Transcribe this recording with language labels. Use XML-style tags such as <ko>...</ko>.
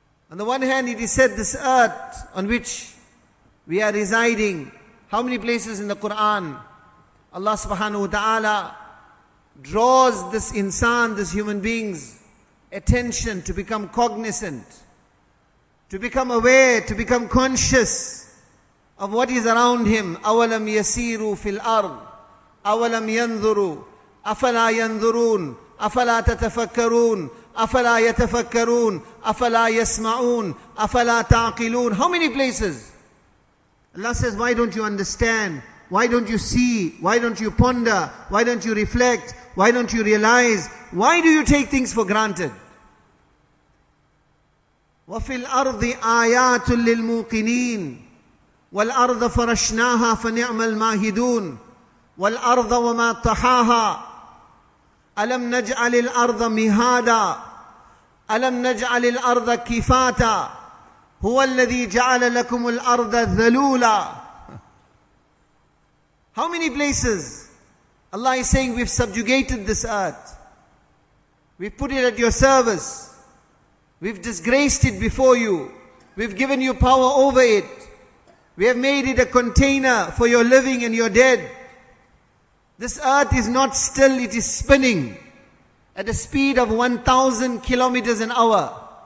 <en>On the one hand, it is said this earth on which we are residing, how many places in the Quran, Allah subhanahu wa ta'ala draws this insan, this human being's attention to become cognizant, to become aware, to become conscious of what is around him.</en> <ar>أَوَلَمْ يَسِيرُوا فِي الْأَرْضِ أَوَلَمْ يَنْذُرُوا أَفَلَا يَنْذُرُونَ أَفَلَا تَتَفَكَّرُونَ أَفَلَا يَتَفَكَّرُونَ أَفَلَا يَسْمَعُونَ أَفَلَا تَعْقِلُونَ</ar> <en>How many places? Allah says, why don't you understand? Why don't you see? Why don't you ponder? Why don't you reflect? Why don't you realize? Why do you take things for granted?</en> <ar>وَفِي الْأَرْضِ آيَاتٌ لِلْمُوقِنِينَ وَالْأَرْضَ فَرَشْنَاهَا فَنِعْمَ الْمَاهِدُونَ وَالْأَرْضَ وَمَا طَحَاهَا أَلَمْ نَجْعَلِ الْأَرْضَ مِهَادًا أَلَمْ نَجْعَلِ الْأَرْضَ كِفَاتًا هُوَ الَّذِي جَعَلَ لَكُمُ الْأَرْضَ ذَلُولًا</ar> <en>How many places Allah is saying we've subjugated this earth. We've put it at your service. We've disgraced it before you. We've given you power over it. We have made it a container for your living and your dead. This earth is not still, it is spinning at a speed of 1,000 kilometers an hour.</en>